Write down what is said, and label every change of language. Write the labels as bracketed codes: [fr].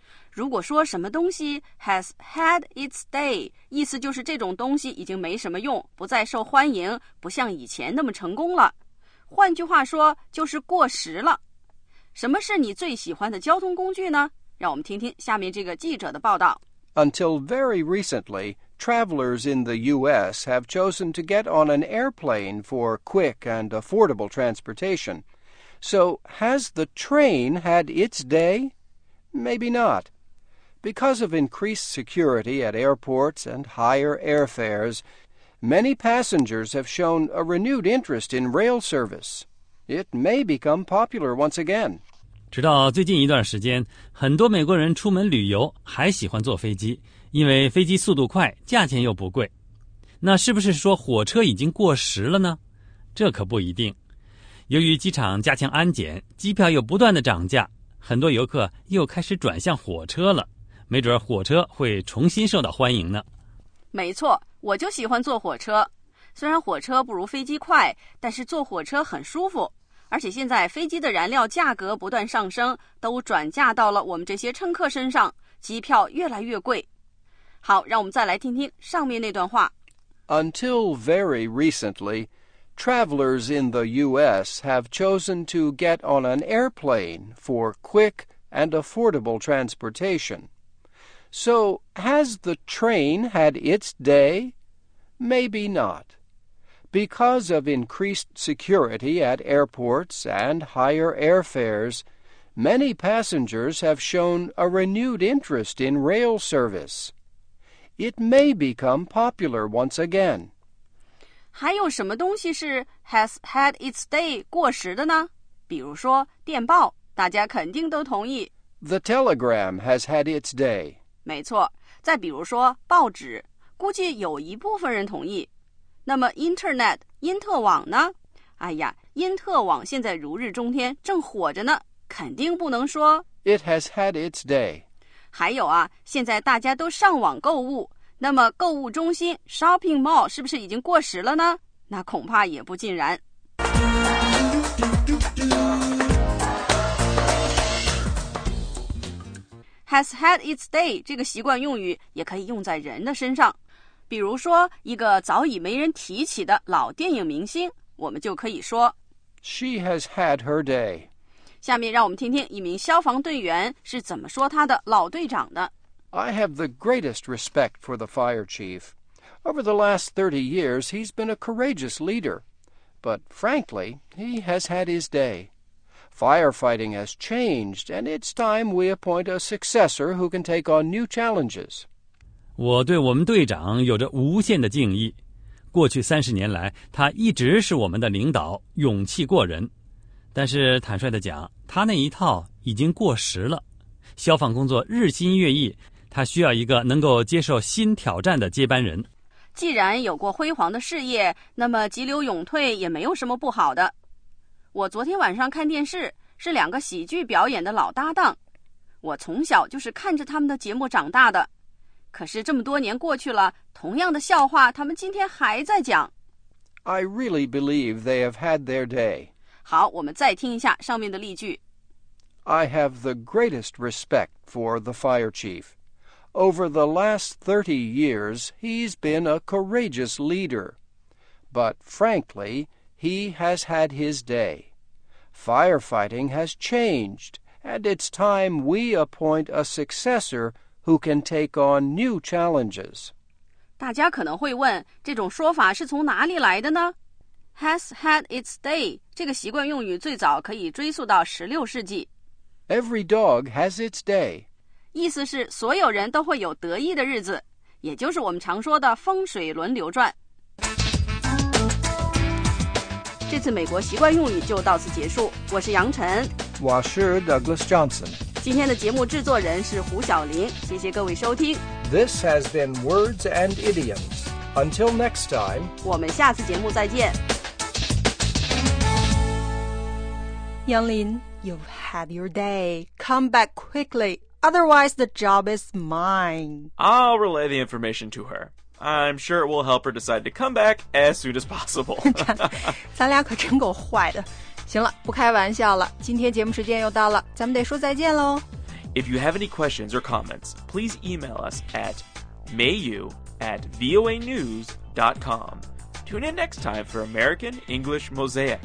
[zh] 如果说什么东西 [en] Has had its day， [zh] 意思就是这种东西已经没什么用，不再受欢迎，不像以前那么成功了，换句话说就是过时了。什么是你最喜欢的交通工具呢？让我们听听下面这个记者的报道。 [en] Until very recently, travelers in the U.S. have chosen to get on an airplane for quick and affordable transportation. So, has the train had its day? Maybe not. Because of increased security at airports and higher airfares, many passengers have shown a renewed interest in rail service. It may become popular once again. [zh] 直到最近一段时间，很多美国人出门旅游还喜欢坐飞机，因为飞机速度快，价钱又不贵。那是不是说火车已经过时了呢？这可不一定。由于机场加强安检，机票又不断的涨价，很多游客又开始转向火车了。没准火车会重新受到欢迎呢。没错，我就喜欢坐火车。虽然火车不如飞机快，但是坐火车很舒服。而且现在飞机的燃料价格不断上升，都转嫁到了我们这些乘客身上，机票越来越贵。好，让我们再来听听上面那段话。 [en] Until very recently, travelers in the U.S. have chosen to get on an airplane for quick and affordable transportation. So, has the train had its day? Maybe not. Because of increased security at airports and higher airfares, many passengers have shown a renewed interest in rail service. It may become popular once again. [zh] 还有什么东西是 [en] has had its day [zh] 过时的呢？比如说电报，大家肯定都同意。 [en] The telegram has had its day. [zh] 没错，再比如说报纸，估计有一部分人同意。那么 Internet 因特网呢？哎呀，因特网现在如日中天，正火着呢，肯定不能说 [en] It has had its day. [zh] 还有啊，现在大家都上网购物，那么购物中心 Shopping Mall 是不是已经过时了呢？那恐怕也不尽然。 Has had its day 这个习惯用语也可以用在人的身上。比如说一个早已没人提起的老电影明星，我们就可以说 [en] She has had her day. [zh] 下面让我们听听一名消防队员是怎么说他的老队长的。 [en] I have the greatest respect for the fire chief. Over the last 30 years, he's been a courageous leader. But frankly, he has had his day. Firefighting has changed, and it's time we appoint a successor who can take on new challenges. [zh] 我对我们队长有着无限的敬意。过去30年来，他一直是我们的领导，勇气过人。但是坦率地讲，他那一套已经过时了。消防工作日新月异，他需要一个能够接受新挑战的接班人。既然有过辉煌的事业，那么急流勇退也没有什么不好的。我昨天晚上看电视，是两个喜剧表演的老搭档，我从小就是看着他们的节目长大的。可是这么多年过去了，同样的笑话他们今天还在讲。 [en] I really believe they have had their day. [zh] 好，我们再听一下上面的例句。 [en] I have the greatest respect for the fire chief. Over the last 30 years, he's been a courageous leader. But frankly, he has had his day. Firefighting has changed, and it's time we appoint a successor who can take on new challenges. [zh] 大家可能会问，这种说法是从哪里来的呢？ [en] Has had its day, [zh] 这个习惯用语最早可以追溯到16世纪。 [en] Every dog has its day. [zh] 意思是所有人都会有得意的日子，也就是我们常说的风水轮流转。这次美国习惯用语就到此结束，我是杨晨，我是 Douglas Johnson。今天的节目制作人是胡晓林，谢谢各位收听。 [en] This has been Words and Idioms. Until next time. [zh] 我们下次节目再见。 [en] 杨林， You've had your day. Come back quicklyOtherwise, the job is mine. I'll relay the information to her. I'm sure it will help her decide to come back as soon as possible. [zh] 咱俩可真够坏的。行了，不开玩笑了。今天节目时间又到了，咱们得说再见喽。 [en] If you have any questions or comments, please email us at mayu@voanews.com. Tune in next time for American English Mosaic.